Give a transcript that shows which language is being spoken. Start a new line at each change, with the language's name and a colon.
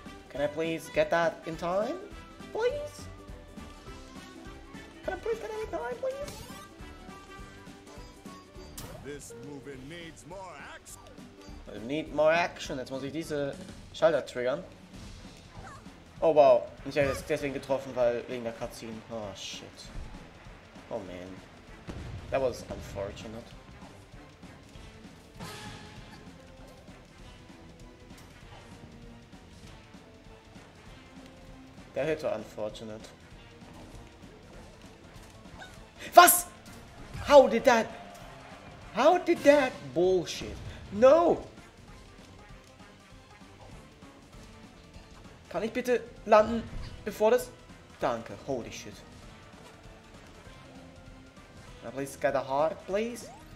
English: Can I please get that in time? Please? Can I please get that in time, please? This move needs more action. I need more action.
German: Jetzt muss ich diese Schalter triggern.
English: Oh wow.
German: Ich habe es deswegen getroffen, weil wegen der Cutscene.
English: Oh shit. Oh man. That was unfortunate.
German: Der Hit war unfortunate.
English: Was? How did that bullshit? No!
German: Kann ich bitte landen bevor das? Danke,
English: holy shit. Can I please get a heart, please?